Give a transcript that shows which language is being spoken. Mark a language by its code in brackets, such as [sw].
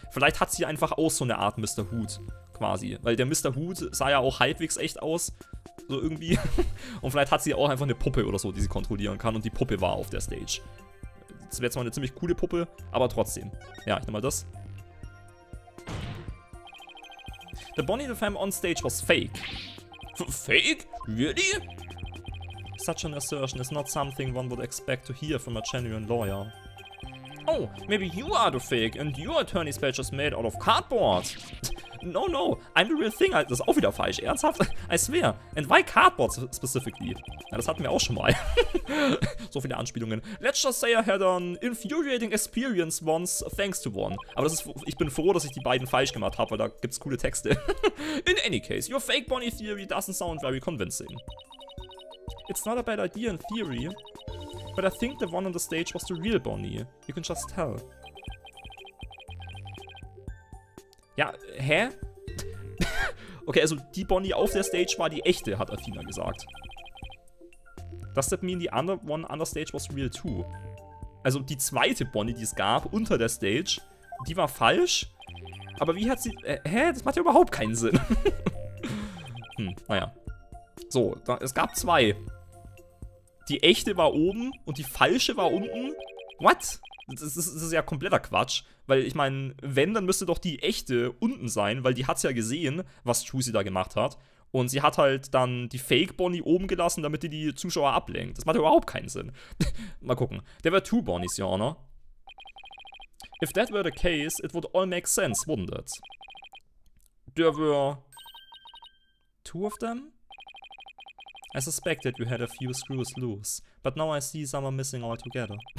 [de] Vielleicht hat sie einfach auch so eine Art Mr. Hood quasi. Weil der Mr. Hood sah ja auch halbwegs echt aus. So irgendwie. Und vielleicht hat sie auch einfach eine Puppe oder so, die sie kontrollieren kann. Und die Puppe war auf der Stage. Das wäre zwar eine ziemlich coole Puppe, aber trotzdem. Ja, ich nehme mal das. [en] The Bonnie the Femme on stage was fake. Fake? Really? Such an assertion is not something one would expect to hear from a genuine lawyer. Oh, maybe you are the fake and your attorney's badge is made out of cardboard. No, no, I'm the real thing. [de] Das ist auch wieder falsch. Ernsthaft? [en] I swear. And why cardboard specifically? [de] Ja, das hatten wir auch schon mal. So viele Anspielungen. [en] Let's just say I had an infuriating experience once thanks to one. [de] Aber das ist, ich bin froh, dass ich die beiden falsch gemacht habe, weil da gibt's coole Texte. [en] In any case, your fake Bonnie theory doesn't sound very convincing. It's not a bad idea in theory, but I think the one on the stage was the real Bonnie. You can just tell. [de] Ja, hä? Okay, also die Bonnie auf der Stage war die echte, hat Athena gesagt. [en] Does that mean the other one on the stage was real too? [de] Also die zweite Bonnie, die es gab, unter der Stage, die war falsch? Aber wie hat sie... Hä? Das macht ja überhaupt keinen Sinn. Naja. So, da, es gab zwei. Die echte war oben und die falsche war unten. What? Das ist ja kompletter Quatsch. Weil ich meine, wenn, dann müsste doch die echte unten sein, weil die hat ja gesehen, was Juicy da gemacht hat. Und sie hat halt dann die Fake-Bonnie oben gelassen, damit die Zuschauer ablenkt. Das macht überhaupt keinen Sinn. Mal gucken. [en] There were two Bonnies, your honor. If that were the case, it would all make sense, wouldn't it? There were... two of them? I suspected you had a few screws loose, but now I see some are missing altogether.